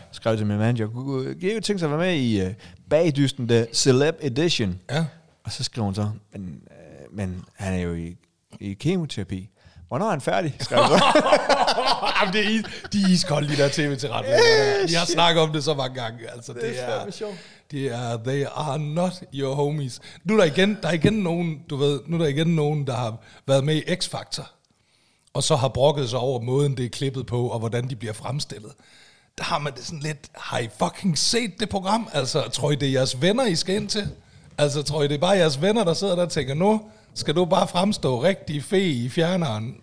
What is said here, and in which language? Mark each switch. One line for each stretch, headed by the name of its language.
Danish: Skrev til min manager, jeg kunne tænke sig at være med i Bagedysten, The Celeb Edition. Ja. Og så skrev hun så, men han er jo i kemoterapi. Hvornår er han færdig? Skrev hun så. Jamen, det er de iskolde, de der tv-tilretninger. Jeg har snakket om det så mange gange. Altså, det er fandme sjovt. Det er,
English: they are not your homies.
Danish: Nu er der igen nogen, du ved, nu er der igen nogen, der har været med i X-Factor. Og så har brokket sig over måden, det er klippet på, og hvordan de bliver fremstillet. Der har man det sådan lidt, har I fucking set det program? Altså, tror I, det er jeres venner, I skal ind til? Altså, tror I, det er bare jeres venner, der sidder der og tænker, nu skal du bare fremstå rigtig fe i fjerneren?